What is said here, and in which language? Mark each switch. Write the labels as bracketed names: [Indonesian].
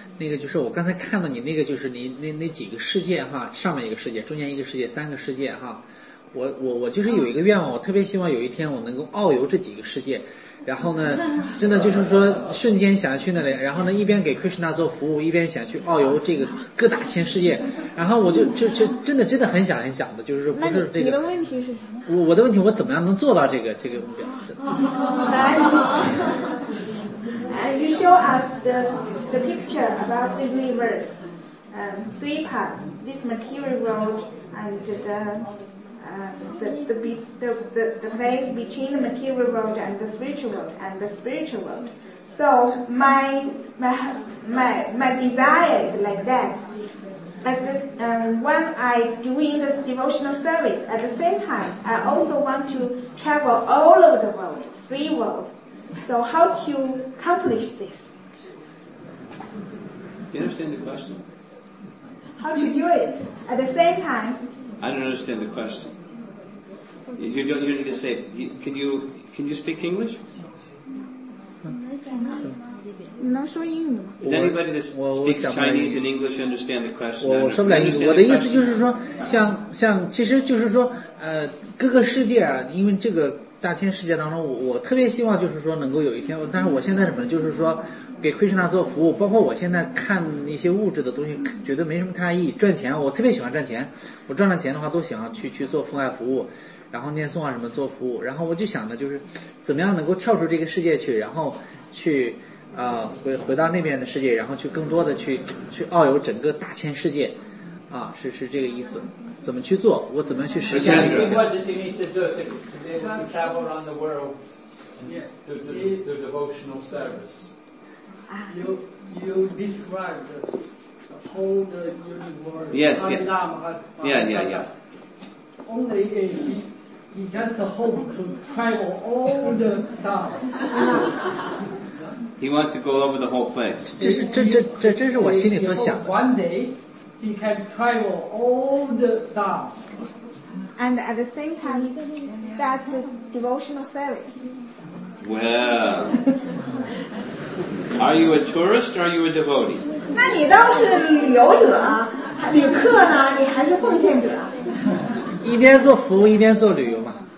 [Chinese] 那个就是我刚才看到你那个就是你那几个世界哈，上面一个世界，中间一个世界，三个世界哈，我就是有一个愿望，我特别希望有一天我能够遨游这几个世界。然后呢真的就是说瞬间想去那里，然后呢一边给 Krishna 做服务，一边想去遨游这个各大千世界，然后我就真的很想很想的，就是说不是这个。你的问题是什么？我的问题，我怎么样能做到这个目标？ [English] 来And you show us the picture about the universe, three parts, this material world and the place between the material world and the spiritual world. So my desire is like that. As this, when I doing the devotional service, at the same time, I also want to travel all over the world, three worlds. So how do you accomplish this? You understand the question? How to do it at the same time? I don't understand the question. You don't need to say, can you speak English? Does anybody that speaks Chinese and English understand the question? 我说不了英语，我的意思就是说，像其实就是说，各个世界啊，因为这个大千世界当中，我特别希望就是说能够有一天，但是我现在什么呢，就是说给 Krishna 做服务，包括我现在看一些物质的东西觉得没什么太意义，赚钱我特别喜欢赚钱，我赚了钱的话都想去做父爱服务，然后念诵啊什么做服务，然后我就想的就是怎么样能够跳出这个世界去，然后去回到那边的世界，然后去更多的去遨游整个大千世界啊，是这个意思。怎么去做，我怎么去实现。 To travel around the world to devotional service. You described the whole the universe. Yes, yeah. Yeah. Only he just hope to travel all the time. He wants to go over the whole place. This is what I'm thinking. One day he can travel all the time. And at the same time, that's the devotional service. Well, are you a tourist or are you a devotee? [Chinese] 那你倒是旅游者啊，旅客呢？你还是奉献者？一边做服务，一边做旅游嘛。